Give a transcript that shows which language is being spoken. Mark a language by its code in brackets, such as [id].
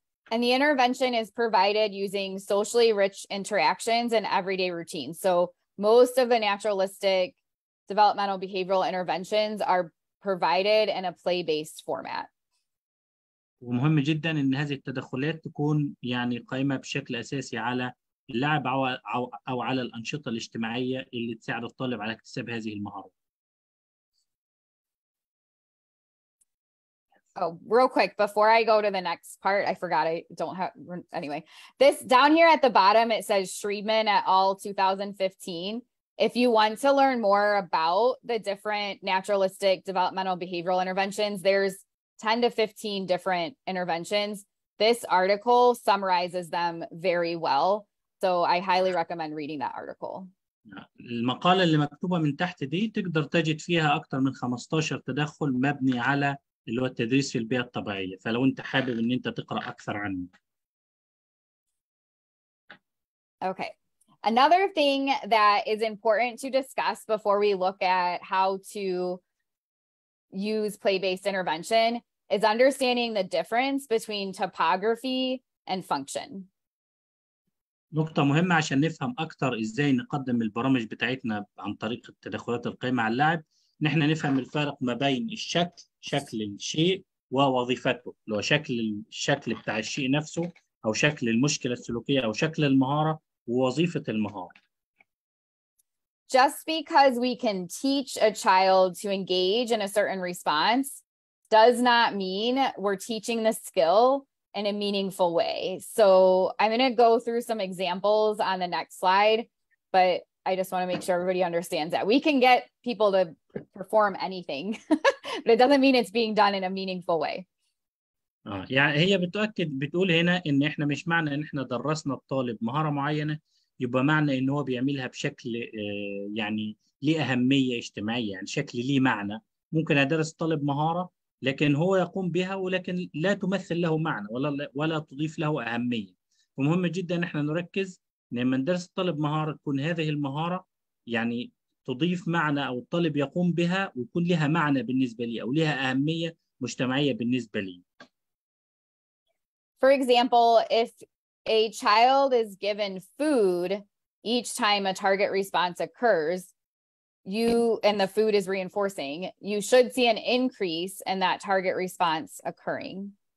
[en] And the intervention is provided using socially rich interactions and everyday routines. So most of the naturalistic developmental behavioral interventions are provided in a play-based format. [ar] ومهم جدا ان هذه التدخلات تكون يعني قائمه بشكل اساسي على اللعب او على الانشطه الاجتماعيه اللي تساعد الطالب على اكتساب هذه المهارات. [en] Oh, real quick before I go to the next part, I forgot I don't have anyway. This down here at the bottom it says Shreedman et al. 2015. If you want to learn more about the different naturalistic developmental behavioral interventions, there's 10 to 15 different interventions. This article summarizes them very well. So I highly recommend reading that article. [ar] المقالة اللي مكتوبة من تحت دي تقدر تجد فيها أكثر من 15 تدخل مبني على اللي هو التدريس في البيئة الطبيعية. فلو أنت حابب أن أنت تقرأ أكثر عنه. [en] Okay. Another thing that is important to discuss before we look at how to use play-based intervention is understanding the difference between topography and function. [ar] نقطة مهمة عشان نفهم أكتر إزاي نقدم البرامج بتاعتنا عن طريق التدخلات القائمة على اللعب نحن نفهم الفرق ما بين الشكل، شكل الشيء ووظيفته، لو شكل الشكل بتاع الشيء نفسه أو شكل المشكلة السلوكية أو شكل المهارة ووظيفة المهارة. [en] Just because we can teach a child to engage in a certain response does not mean we're teaching the skill in a meaningful way. So I'm going to go through some examples on the next slide, but I just want to make sure everybody understands that we can get people to perform anything, but it doesn't mean it's being done in a meaningful way. [ar] يعني هي بتأكد بتقول هنا ان احنا مش معنى ان احنا درسنا الطالب مهارة معينة يبقى معنى ان هو بيعملها بشكل يعني ليه أهمية اجتماعية، يعني شكل ليه معنى. ممكن أدرس طالب مهارة لكن هو يقوم بها ولكن لا تمثل له معنى ولا تضيف له أهمية. ومهم جدا ان احنا نركز لما ندرس طالب مهارة تكون هذه المهارة يعني تضيف معنى او الطالب يقوم بها ويكون لها معنى بالنسبة لي او لها أهمية مجتمعية بالنسبة لي. [en] For example, if a child is given food each time a target response occurs, you and the food is reinforcing, you should see an increase in that target response occurring.